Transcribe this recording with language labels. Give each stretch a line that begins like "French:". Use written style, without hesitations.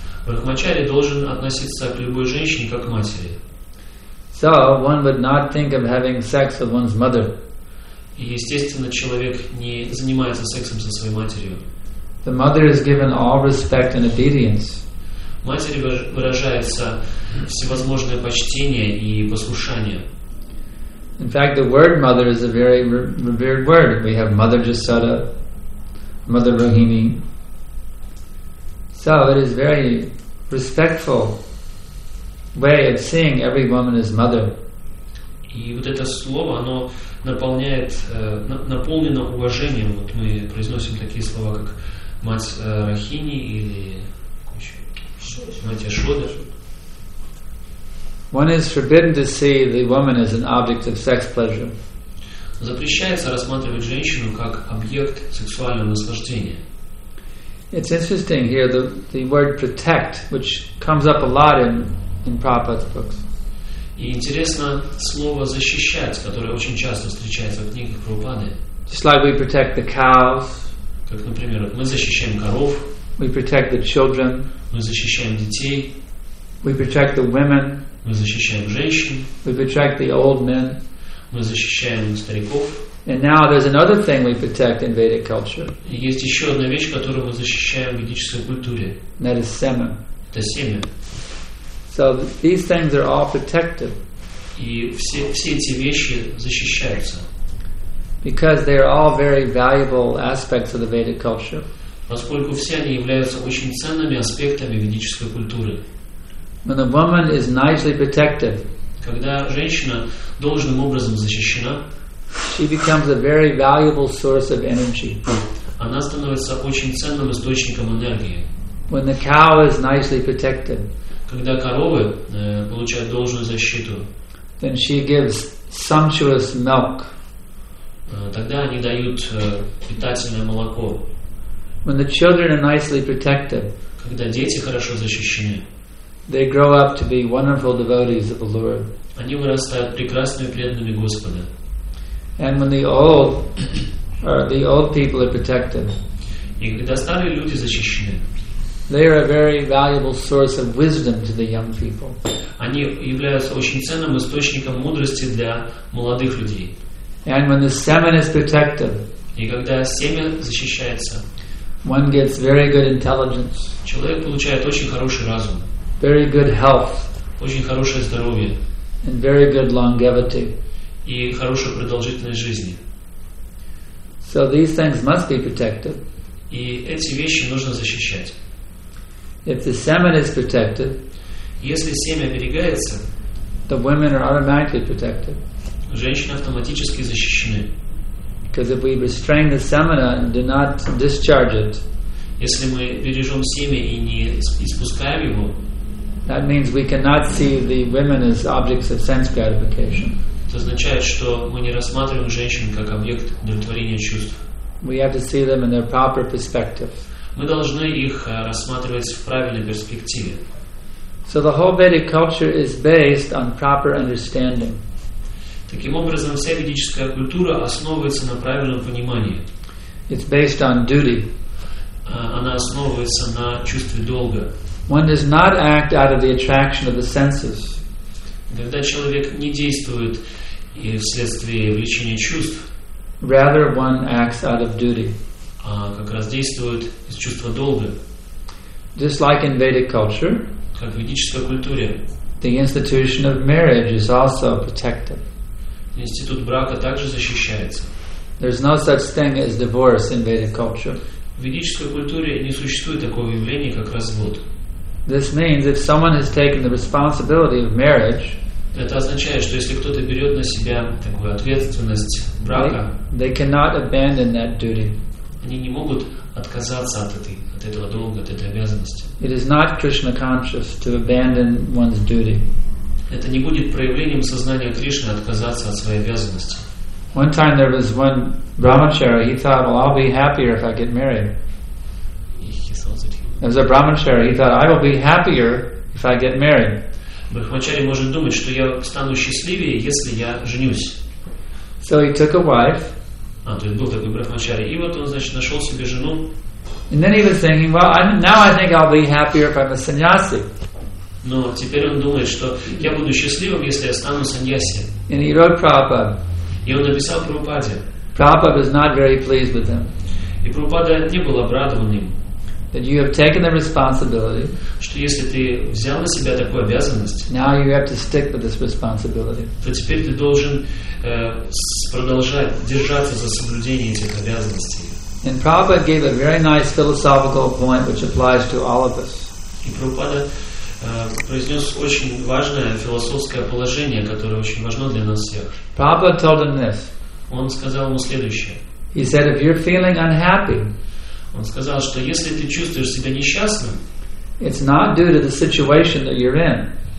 Russian: Брахмачари должен относиться к любой женщине как к матери.
English: So one would not think of having sex with one's mother.
Russian: И естественно, человек не занимается сексом со своей матерью.
English: The mother is given all respect and obedience.
Russian: Матери выражается всевозможное почтение и послушание.
English: In fact, the word mother is a very revered word. We have Mother Jasoda, Mother Rohini. So it is a very respectful way of seeing every woman as mother.
Russian: И вот это слово, оно наполняет, наполнено уважением. Вот мы произносим такие слова, как мать Рахини или мать Ашода.
English: One is forbidden to see the woman as an object of sex pleasure.
Russian: Запрещается рассматривать женщину как объект сексуального наслаждения.
English: It's interesting here the word protect, which comes up a lot in Prabhupada's books.
Russian: И интересно слово защищать, которое очень часто встречается в книгах Прабхупады.
English: Just like we protect the cows.
Russian: Как, например, мы защищаем коров.
English: We protect the children.
Russian: Мы защищаем детей.
English: We protect the women.
Russian: Мы защищаем женщин.
English: We protect the old men.
Russian: Мы защищаем стариков.
English: And now there's another thing we protect in Vedic culture.
Russian: И есть еще одна вещь, которую мы защищаем в ведической культуре.
English: That is semen.
Russian: Это семя.
English: So these things are all protected.
Russian: И все эти вещи защищаются.
English: Because they are all very valuable aspects of the Vedic culture.
Russian: поскольку все они являются очень ценными аспектами ведической культуры.
English: When a woman is nicely protected,
Russian: когда женщина должным образом защищена,
English: she becomes a very valuable source of energy.
Russian: Она становится очень ценным источником энергии.
English: When the cow is nicely protected,
Russian: когда коровы получают должную защиту,
English: then she gives sumptuous milk.
Russian: Тогда они дают питательное молоко.
English: When the children are nicely protected,
Russian: когда дети хорошо защищены,
English: they grow up to be wonderful devotees of the Lord.
Russian: Они вырастают прекрасными преданными Господа.
English: And when the old people are protected,
Russian: и когда старые люди защищены,
English: they are a very valuable source of wisdom to the young people.
Russian: Они являются очень ценным источником мудрости для молодых людей.
English: And when the semen is protected,
Russian: и когда семя защищается,
English: one gets very good intelligence.
Russian: Человек получает очень хороший разум.
English: Very good health.
Russian: Очень хорошее здоровье.
English: And very good longevity.
Russian: И хорошую продолжительность жизни.
English: So these things must be protected.
Russian: И эти вещи нужно защищать.
English: If the semen is protected,
Russian: если семя оберегается,
English: the women are automatically protected.
Russian: Женщины автоматически защищены.
English: Because if we restrain the semina and do not discharge it,
Russian: если мы бережем семя и не испускаем его,
English: that means we cannot see the women as objects of sense gratification.
Russian: Это означает, что мы не рассматриваем женщин как объект удовлетворения чувств.
English: We have to see them in their proper perspective.
Russian: Мы должны их рассматривать в правильной перспективе.
English: So the whole Vedic culture is based on proper understanding.
Russian: Таким образом, вся ведическая культура основывается на правильном понимании.
English: It's based on duty.
Russian: Она основывается на чувстве долга.
English: One does not act out of the attraction of the senses.
Russian: Когда человек не действует вследствие влечения чувств,
English: rather one acts out of duty.
Russian: А как раз действует из чувства долга.
English: Just like in Vedic culture,
Russian: как в ведической культуре,
English: the institution of marriage is also protected.
Russian: Институт брака также защищается.
English: There's no such thing as divorce in Vedic culture.
Russian: В ведической культуре не существует такого явления, как развод.
English: This means if someone has taken the responsibility of marriage,
Russian: это означает, что если кто-то берет на себя такую ответственность брака,
English: they cannot abandon that duty.
Russian: Они не могут отказаться от этого долга, от этой обязанности.
English: It is not Krishna conscious to abandon one's duty.
Russian: Это не будет проявлением сознания Кришны отказаться от своей обязанности.
English: One time there was one brahmachari. He thought, well, I'll be happier if I get married. There was a brahmachari. He thought, I will be happier if I get married.
Russian: Брахмачари может думать, что я стану счастливее, если я женюсь.
English: So he took a wife.
Russian: А, то есть был такой брахмачари. И вот он, значит, нашел себе жену.
English: And then he was thinking, well, now I think I'll be happier if I'm a sannyasi.
Russian: Но теперь он думает, что я буду счастливым, если я стану саньяси.
English: And he wrote Prabhupada.
Russian: И он написал Прабхупаде.
English: Prabhupada was not very pleased with him.
Russian: И Прабхупада не был обрадован им.
English: That you have taken the responsibility.
Russian: Что если ты взял на себя такую обязанность.
English: Now you have to stick with this responsibility.
Russian: То теперь ты должен продолжать держаться за соблюдение этих обязанностей.
English: And Prabhupada gave a very nice philosophical point, which applies to all of us.
Russian: И Прабхупада произнес очень важное философское положение, которое очень важно для нас всех.
English: Prabhupada told him this.
Russian: Он сказал ему следующее.
English: He said, if you're feeling unhappy,
Russian: он сказал, что если ты чувствуешь себя несчастным,
English: it's not due to the situation that you're in.